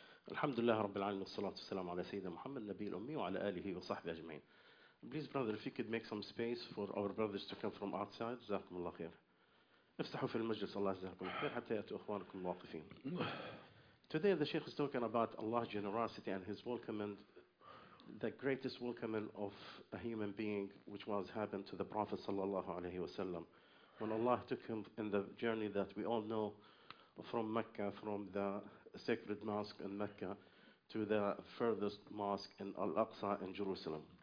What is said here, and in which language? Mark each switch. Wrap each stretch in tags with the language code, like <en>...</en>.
<ar>الحمد لله رب العالمين، والصلاة والسلام على سيدنا محمد النبي الأمي وعلى آله وصحبه أجمعين.</ar> <en>Please brother, if you could make some space for our brothers to come from outside.</en> <ar>جزاكم الله خير. افتحوا في المجلس الله يجزاكم خير حتى يأتوا إخوانكم واقفين.</ar> <en>Today the Sheikh is talking about Allah's generosity and his welcome, and the greatest welcoming of a human being which was happened to the Prophet sallallahu alayhi wa sallam when Allah took him in the journey that we all know from Mecca, from the sacred mosque in Mecca to the furthest mosque in Al-Aqsa in Jerusalem.</en>